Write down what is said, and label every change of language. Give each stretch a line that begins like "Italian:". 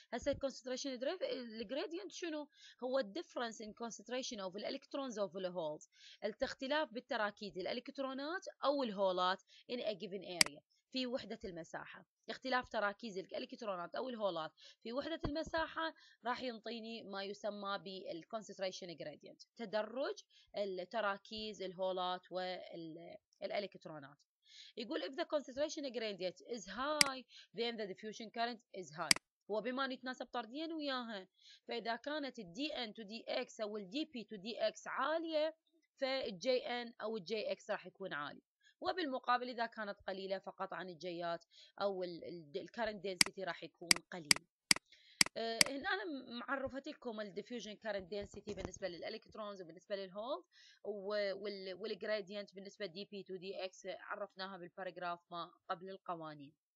English: هسه concentration gradient شنو هو؟ difference in concentration of the electrons of the holes، الاختلاف بالتراكيز الالكترونات او الهولات in a given area، في وحده المساحه.
Arabic: اختلاف تراكيز الالكترونات او الهولات في وحده المساحه راح ينطيني ما يسمى بالconcentration gradient، تدرج التراكيز الهولات والالكترونات.
English: يقول if the concentration gradient is high then the diffusion current is high، هو بما يتناسب طرديا وياها.
Arabic: فاذا كانت dn to dx او dp to dx عاليه، فjn او jx راح يكون عالي، وبالمقابل إذا كانت قليلة فقط عن الجيات أو الكارنت دينسيتي راح يكون قليل. هنا أنا معرفت لكم الديفيوجن كارنت دينسيتي بالنسبة للإلكترونز وبالنسبة للهولز، والجراديانت بالنسبة دي بي تو دي إكس عرفناها بالباراجراف ما قبل القوانين.